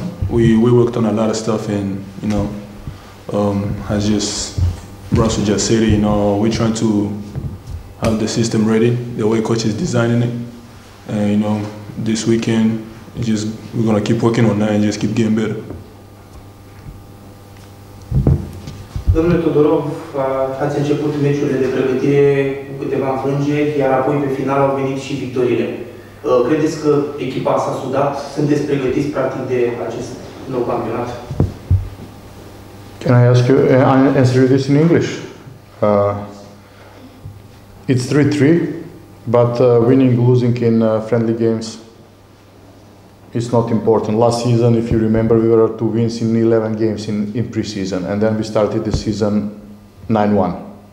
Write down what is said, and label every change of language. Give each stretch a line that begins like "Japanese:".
English: We worked on a lot of stuff, and you know, as just Russell just said, you know, we're trying to have the system ready the way coach is designing it. And you know, this weekend, we're gonna keep working on that and just keep getting better.
Romanian: Domnule Todorov, ați început meciurile de pregătire cu câteva înfrângeri, iar apoi pe final au venit și victoriile. Credeți că echipa s-a sudat? Sunteți pregătiți practic de acest nou campionat?
English: Can I ask you, I answer you this in English. It's 3-3, but winning, losing in friendly games is not important. Last season, if you remember, we were 2 wins in 11 games in preseason, and then we started the season 9-1.